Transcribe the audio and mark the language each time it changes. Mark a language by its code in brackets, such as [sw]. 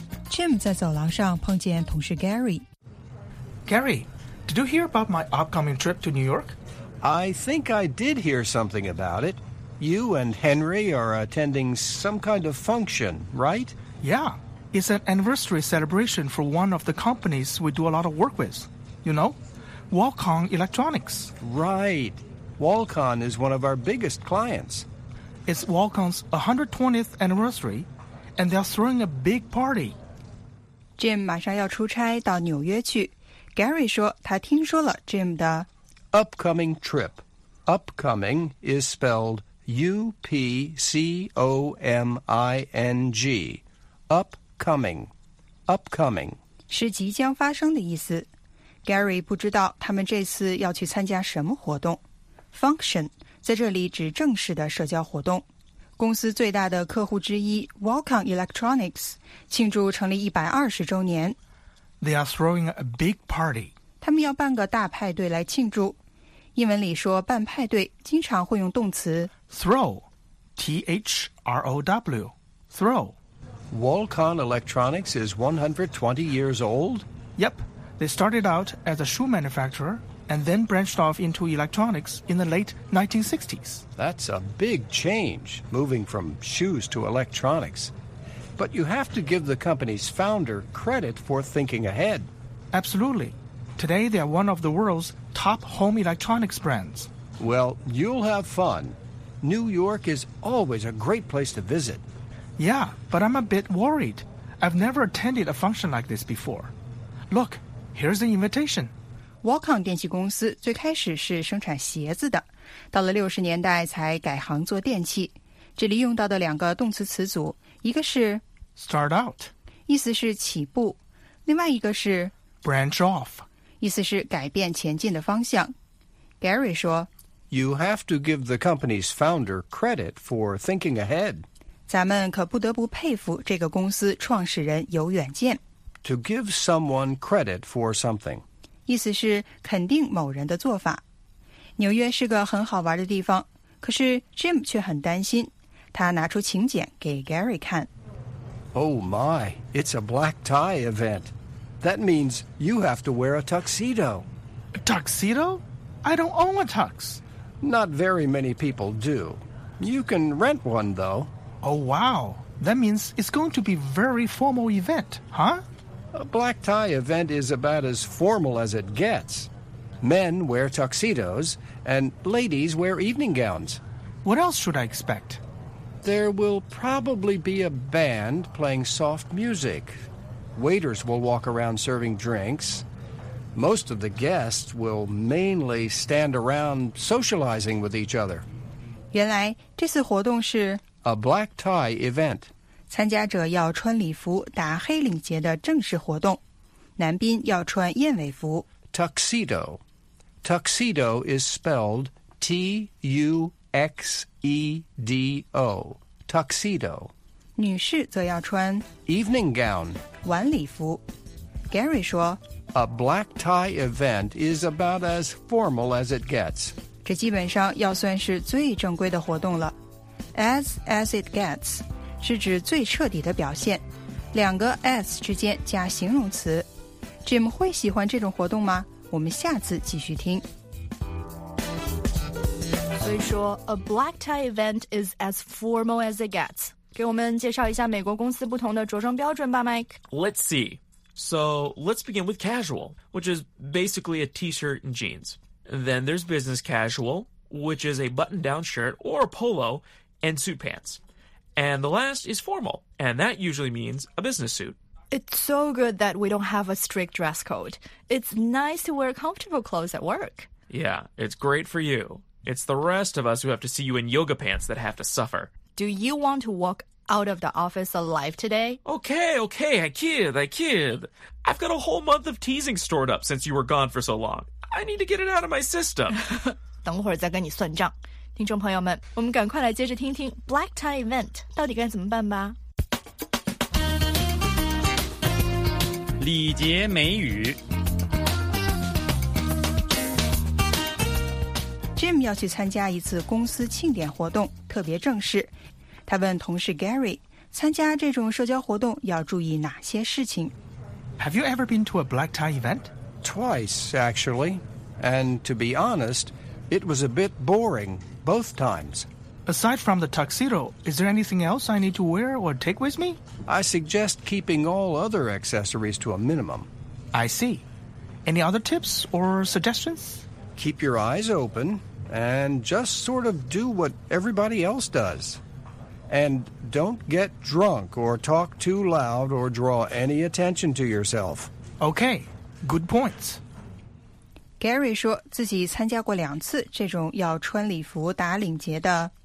[zh] Jim 在走廊上碰见同事 Gary。 [en] Gary, did you hear about my upcoming trip to New York? I think I did hear something about it. You and Henry are attending some kind of function, right? Yeah, it's an anniversary celebration for one of the companies we do a lot of work with. You know, Walcon Electronics. Right. Walcon is one of our biggest clients. It's Walcon's 120th anniversary, and they're throwing a big party. [zh] Jim 马上要出差到纽约去。Gary 说他听说了 Jim 的 [en] Upcoming trip. Upcoming is spelled U-P-C-O-M-I-N-G. Upcoming. Upcoming. [zh] 是即将发生的意思。 Gary 不知道他们这次要去参加什么活动。 Function 在这里指正式的社交活动。公司最大的客户之一 Walcon Electronics 庆祝成立120周年。 [en] They are throwing a big party. [zh] 他们要办个大派对来庆祝。英文里说办派对经常会用动词 [en] throw, T-H-R-O-W, throw. Walcon Electronics is 120 years old? Yep. They started out as a shoe manufacturer and then branched off into electronics in the late 1960s. That's a big change, moving from shoes to electronics. But you have to give the company's founder credit for thinking ahead. Absolutely. Today, they are one of the world's top home electronics brands. Well, you'll have fun. New York is always a great place to visit. Yeah, but I'm a bit worried. I've never attended a function like this before. Look, here's the invitation. [zh] Walcon 电器公司最开始是生产鞋子的，到了60年代才改行做电器。这里用到的两个动词词组，一个是 [en] start out， [zh] 意思是起步，另外一个是 [en] branch off， [zh] 意思是改变前进的方向。 Gary 说， [en] You have to give the company's founder credit for thinking ahead。 [zh] 咱们可不得不佩服这个公司创始人有远见。 [en] To give someone credit for something， [zh] 意思是肯定某人的做法。纽约是个很好玩的地方，可是 Jim 却很担心。他拿出请柬给 Gary 看。 [en] Oh my, it's a black tie event. That means you have to wear a tuxedo. A tuxedo? I don't own a tux. Not very many people do. You can rent one, though. Oh wow, that means it's going to be a very formal event, huh? A black tie event is about as formal as it gets. Men wear tuxedos, and ladies wear evening gowns. What else should I expect? There will probably be a band playing soft music. Waiters will walk around serving drinks. Most of the guests will mainly stand around socializing with each other. [zh] 原来这次活动是 [en] a black tie event. [zh] 参加者要穿礼服打黑领结的正式活动。男宾要穿燕尾服。 [en] Tuxedo. Tuxedo is spelled T-U-X-E-D-O, tuxedo. [zh] 女士则要穿 [en] evening gown, [zh] 晚礼服。Gary 说 [en] A black tie event is about as formal as it gets. [zh] 这基本上要算是最正规的活动了。 [en] As it gets, [zh] 是指最彻底的表现。两个 as 之间加形容词。Jim 会喜欢这种活动吗？我们下次继续听。所以说 [en] ，a black tie event is as formal as it gets。 [zh] 给我们介绍一下美国公司不同的着装标准吧 ，Mike。 [en] Let's see. So let's begin with casual, which is basically a T-shirt and jeans. Then there's business casual, which is a button-down shirt or a polo and suit pants. And the last is formal, and that usually means a business suit. It's so good that we don't have a strict dress code. It's nice to wear comfortable clothes at work. Yeah, it's great for you. It's the rest of us who have to see you in yoga pants that have to suffer. Do you want to walk out of the office alive today? Okay, I kid. I've got a whole month of teasing stored up since you were gone for so long. I need to get it out of my system. [zh] 等会儿再跟你算账。听众朋友们，我们赶快来接着听听 Black Tie Event 到底该怎么办吧。礼节美语 Jim 要去参加一次公司庆典活动，特别正式。他问同事 Gary， 参加这种社交活动要注意哪些事情 [en] ？Have you ever been to a black tie event? Twice, actually. And to be honest, it was a bit boring both times. Aside from the tuxedo, is there anything else I need to wear or take with me? I suggest keeping all other accessories to a minimum. I see. Any other tips or suggestions? Keep your eyes open and just sort of do what everybody else does. And don't get drunk or talk too loud or draw any attention to yourself. Okay, good points. [zh] Gary 说自己参加过两次这种要穿礼服打领结的